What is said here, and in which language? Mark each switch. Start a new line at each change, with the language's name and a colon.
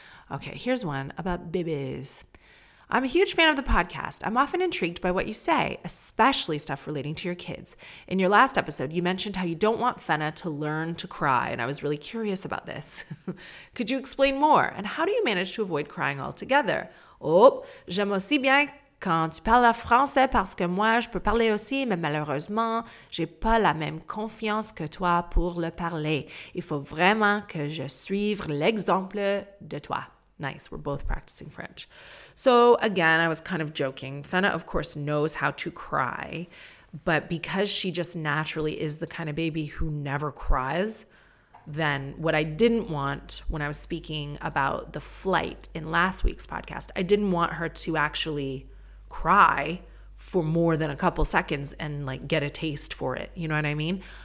English: Okay, here's one about babies. I'm a huge fan of the podcast. I'm often intrigued by what you say, especially stuff relating to your kids. In your last episode, you mentioned how you don't want Fenna to learn to cry, and I was really curious about this. Could you explain more? And how do you manage to avoid crying altogether?
French: Oh, j'aime aussi bien quand tu parles français, parce que moi, je peux parler aussi, mais malheureusement, j'ai pas la même confiance que toi pour le parler. Il faut vraiment que je suive l'exemple de toi.
English: Nice. We're both practicing French. So again, I was kind of joking. Fenna, of course, knows how to cry, but because she just naturally is the kind of baby who never cries, then what I didn't want when I was speaking about the flight in last week's podcast, I didn't want her to actually cry for more than a couple seconds and like get a taste for it. You know what I mean?